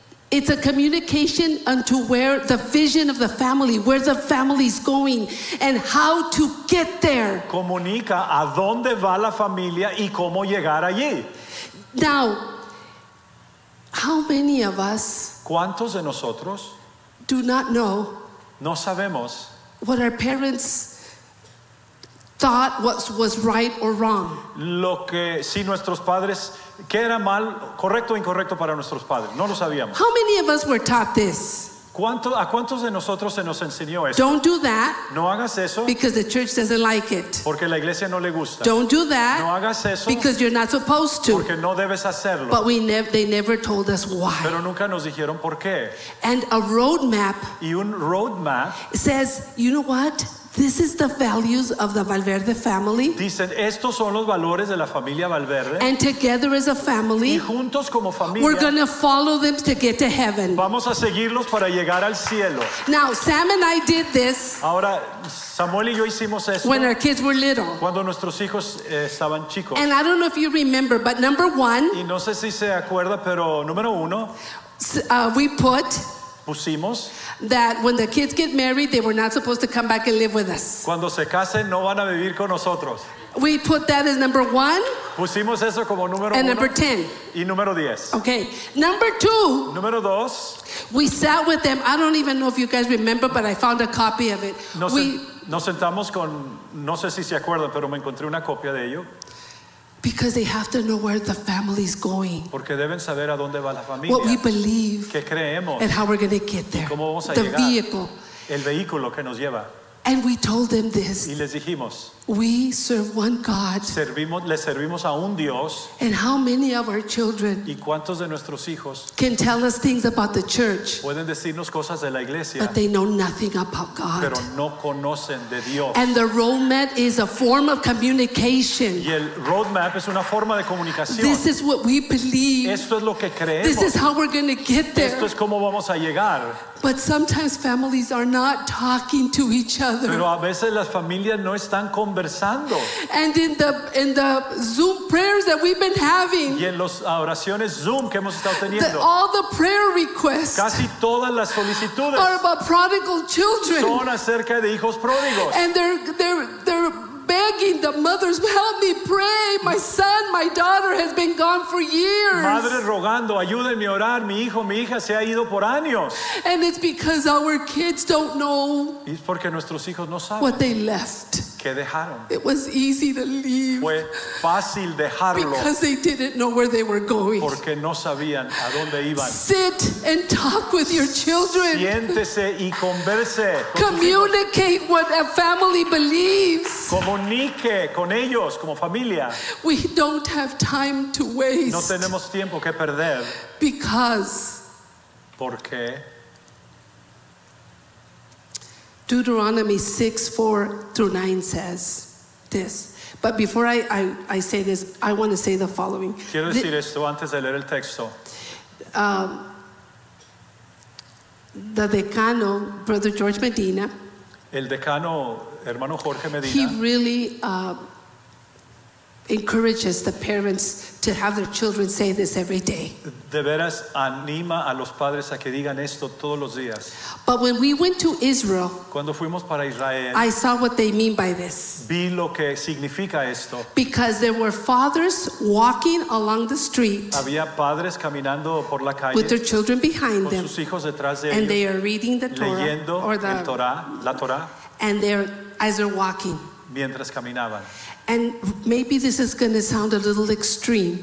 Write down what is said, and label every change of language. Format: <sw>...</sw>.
<en>It's a communication unto where the vision of the family, where the family is going, and how to get there.</en> <es>Comunica a dónde va la familia y cómo llegar allí.</es> <en>Now, how many of us?</en> <es>¿Cuántos de nosotros</es> <en>do not know</en> <es>no sabemos</es> <en>what our parents thought was right or wrong?</en> <es>Lo que si nuestros padres qué era mal, correcto o incorrecto para nuestros padres, no lo sabíamos.</es> <en>How many of us were taught this?</en> <es>¿A cuántos de nosotros se nos enseñó esto?</es> <en>Don't do that.</en> <es>No hagas eso.</es> <en>Because the church doesn't like it.</en> <es>Porque la iglesia no le gusta.</es> <en>Don't do that.</en> <es>No hagas eso.</es> <en>Because you're not supposed to.</en> <es>Porque no debes hacerlo.</es> <en>But they never told us why.</en> <es>Pero nunca nos dijeron por qué.</es> <en>And a roadmap.</en> <es>Y un roadmap</es> <en>says, you know what? This is the values of the Valverde family.</en> <es>Dicen, estos son los valores de la familia Valverde.</es> <en>And together as a family,</en> <es>y juntos como familia,</es> <en>we're going to follow them to get to heaven.</en> <es>Vamos a seguirlos para llegar al cielo.</es> <en>Now, Sam and I did this.</en> <es>Ahora, Samuel y yo hicimos esto.</es> <en>When our kids were little.</en> <es>Cuando nuestros hijos estaban chicos.</es> <en>And I don't know if you remember, but number one.</en> <es>Y no sé si se acuerda, pero número uno.</es> <en>We put.</en> <es>Pusimos.</es> <en>That when the kids get married, they were not supposed to come back and live with us.</en> <es>Cuando se casen, no van a vivir con nosotros.</es> <en>We put that as number one.</en> <es>Pusimos eso como número</es> <en>and</en> <es>uno,</es> <en>number 10.</en> <es>Y número 10.</es> <en>Okay. Number two.</en> <es>Número dos.</es> <en>We sat with them. I don't even know if you guys remember, but I found a copy of it.</en> <es>Nos sentamos con, no sé si se acuerdan, pero me encontré una copia de ello.</es> <en>Because they have to know where the family is going.</en> <es>Porque deben saber a dónde va la familia.</es> <en>What we believe.</en> <es>Qué creemos.</es> <en>And how we're going to get there.</en> <es>Y cómo vamos a</es> <en>the</en> <es>llegar.</es> <en>Vehicle.</en> <es>El vehículo que nos lleva.</es> <en>And we told them this.</en> <es>Y les dijimos.</es> <en>We serve one God.</en> <es>Le servimos a un Dios.</es> <en>And how many of our children.</en> <es>Y cuántos de nuestros hijos.</es> <en>Can tell us things about the church.</en> <es>Pueden decirnos cosas de la iglesia.</es> <en>But they know nothing about God.</en> <es>Pero no conocen de Dios.</es> <en>And the roadmap is a form of communication.</en> <es>Y el roadmap es una forma de comunicación.</es> <en>This is what we believe.</en> <es>Esto es lo que creemos.</es> <en>This is how we're going to get there.</en> <es>Esto es cómo vamos a llegar.</es> <en>But sometimes families are not talking to each other.</en> <es>Pero a veces las familias no están conversando.</es> <en>And in the Zoom prayers that we've been having.</en> <es>Y en las oraciones Zoom que hemos estado teniendo.</es> <en>All the prayer requests.</en> <es>Casi todas las solicitudes.</es> <en>Are about prodigal children.</en> <es>Son acerca de hijos pródigos.</es> <en>And they're begging the mothers, help me pray. My son, my daughter has been gone for years.</en> <es>Madres rogando, ayúdenme a orar. Mi hijo, mi hija se ha ido por años.</es> <en>And it's because our kids don't know.</en> <es>Y es porque nuestros hijos no saben.</es> <en>What they left.</en> <es>Que dejaron.</es> <en>It was easy to leave.</en> <es>Fue fácil dejarlo.</es> <en>Because they didn't know where they were going.</en> <es>Porque no sabían a dónde iban.</es> <en>Sit and talk with your children.</en> <es>Siéntese y converse.</es> <en>Communicate what a family believes.</en> <es>Comunique con ellos como familia.</es> <en>We don't have time to waste.</en> <es>No tenemos tiempo que perder.</es> <en>Because.</en> <es>Porque.</es> <en>Deuteronomy 6:4-9 says this. But before I say this, I want to say the following.</en> <es>Quiero decir esto antes de leer el texto.</es> <en>The decano, Brother George Medina.</en> <es>El decano, hermano Jorge Medina.</es> <en>He really encourages the parents to have their children say this every day.</en> <es>De veras anima a los padres a que digan esto todos los días.</es> <en>But when we went to Israel,</en> <es>cuando fuimos para Israel,</es> <en>I saw what they mean by this.</en> <es>Vi lo que significa esto.</es> <en>Because there were fathers walking along the street.</en> <es>Había padres caminando por la calle.</es> <en>With their children behind</en> <es>con</es> <en>them.</en> <es>Sus hijos detrás de</es> <en>and</en> <es>ellos.</es> <en>And they are reading the Torah.</en> <es>Leyendo</es> <en>or the,</en> <es>el Torah, la Torah.</es> <en>And they're as they're walking.</en> <es>Mientras caminaban.</es> <en>And maybe this is going to sound a little extreme.</en>